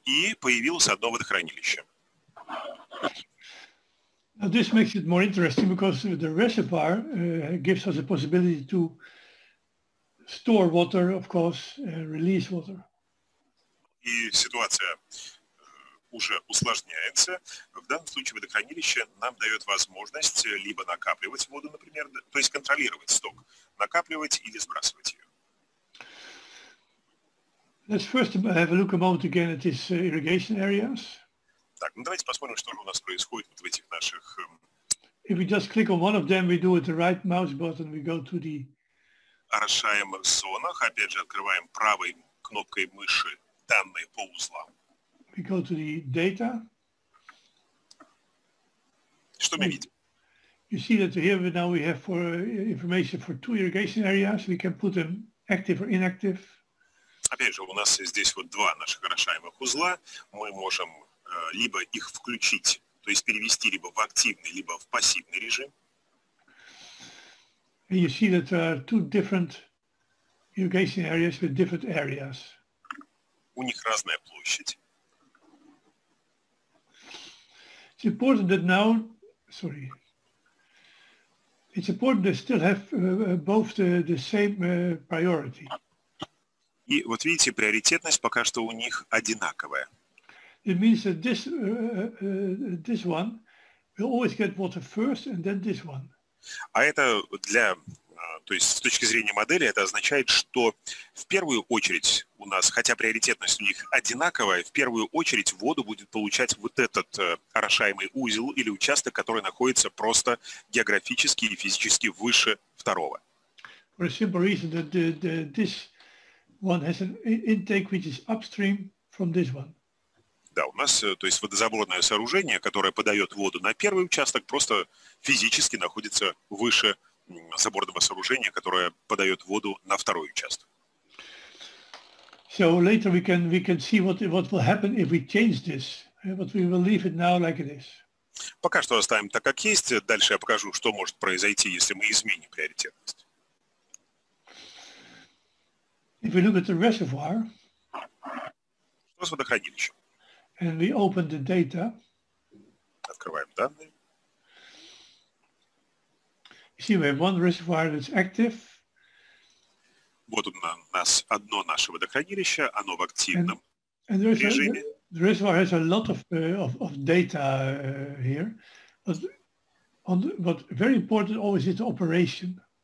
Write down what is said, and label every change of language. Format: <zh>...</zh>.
<ru>И появилось одно водохранилище.</ru> <en>Now this makes it more interesting because the reservoir gives us a possibility to store water, of course, and release water.</en> <ru>И ситуация уже усложняется. В данном случае водохранилище нам дает возможность либо накапливать воду, например, то есть контролировать сток, накапливать или сбрасывать ее.</ru> <en>Let's first have a look a moment again at these irrigation areas.</en> <ru>Так, ну давайте посмотрим, что же у нас происходит вот в этих наших.</ru> <en>If we just click on one of them, we do with the right mouse button, we go to the</en> <ru>орошаемых зонах. Опять же, открываем правой кнопкой мыши данные по узлам.</ru> <en>We go to the data.</en> <ru>Что мы видим?</ru> <en>You see that here now we have for information for two irrigation areas. We can put them active or inactive.</en> <ru>Опять же, у нас здесь вот два наших орошаемых узла. Мы можем либо их включить, то есть перевести либо в активный, либо в пассивный режим.</ru> <en>And you see that there are two different irrigation areas with different areas.</en> <ru>У них разная площадь.</ru> <en>It's important that now, sorry, it's important they still have both the same priority.</en> <ru>И вот видите, приоритетность пока что у них одинаковая.</ru> <en>It means that this this one will always get water first and then this one.</en> <ru>А это для, то есть с точки зрения модели, это означает, что в первую очередь у нас, хотя приоритетность у них одинаковая, в первую очередь воду будет получать вот этот орошаемый узел или участок, который находится просто географически и физически выше второго.</ru> <en>For a simple reason that this one has an intake which is upstream from this one.</en> <ru>Да, у нас, то есть водозаборное сооружение, которое подает воду на первый участок, просто физически находится выше заборного сооружения, которое подает воду на второй участок.</ru> <en>So later we can see what will happen if we change this, but we will leave it now like it is.</en> <ru>Пока что оставим так, как есть. Дальше я покажу, что может произойти, если мы изменим приоритетность.</ru> <en>If we look at the reservoir,</en> <ru>что с водохранилищем?</ru> <en>And we open the data.</en> <ru>Открываем данные.</ru> <en>You see, we have one reservoir that's active.</en> <ru>Вот у нас одно наше водохранилище, оно в активном режиме.</ru> <en>The reservoir has a lot of data here, but very important always is the operation.</en>